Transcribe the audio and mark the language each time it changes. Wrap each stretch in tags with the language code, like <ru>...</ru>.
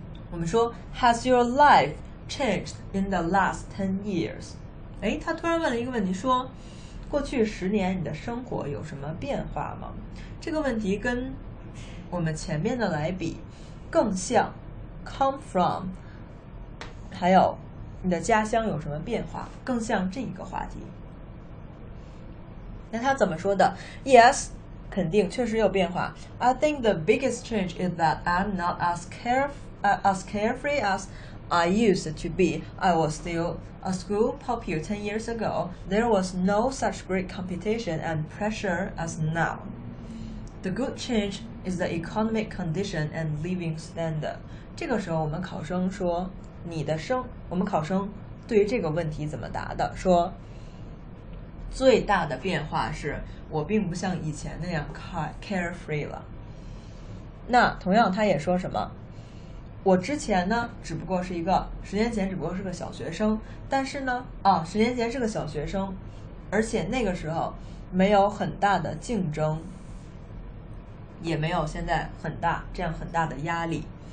<zh>我们说</zh> <en>has your life changed in the last 10 years。</en> <zh>哎，他突然问了一个问题，说过去10年你的生活有什么变化吗？这个问题跟我们前面的来比更像 come from 还有你的家乡有什么变化，更像这一个话题。那他怎么说的？Yes, 肯定确实有变化。</zh> <en>I think the biggest change is that I'm not as carefree as I used to be. I was still a school pupil 10 years ago. There was no such great competition and pressure as now. The good change is the economic condition and living standard.</en> <zh>这个时候我们考生说你的生，我们考生对于这个问题怎么答的，说最大的变化是我并不像以前那样 carefree 了。那同样他也说什么，我之前呢只不过是一个，十年前只不过是个小学生，但是呢十年前是个小学生，而且那个时候没有很大的竞争，也没有现在很大这样很大的压力。</zh>